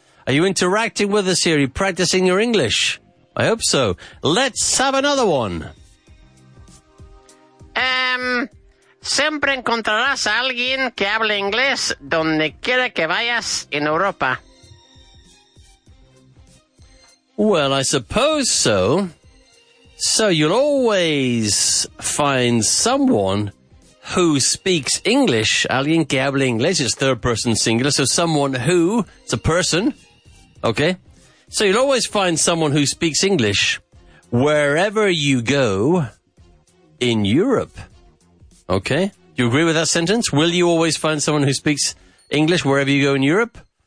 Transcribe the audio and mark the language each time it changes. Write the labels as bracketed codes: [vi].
[en] Are you interacting with us here? Are you practicing your English? I hope so. Let's have another one. [es] Siempre encontrarás a alguien que hable inglés donde quiera que vayas en Europa. [en] Well, I suppose so. So you'll always find someone who speaks English. [es] Alguien que hable inglés [en] is third person singular. So someone who, it's a person. Okay. So you'll always find someone who speaks English wherever you go in Europe. Okay. Do you agree with that sentence? Will you always find someone who speaks English wherever you go in Europe?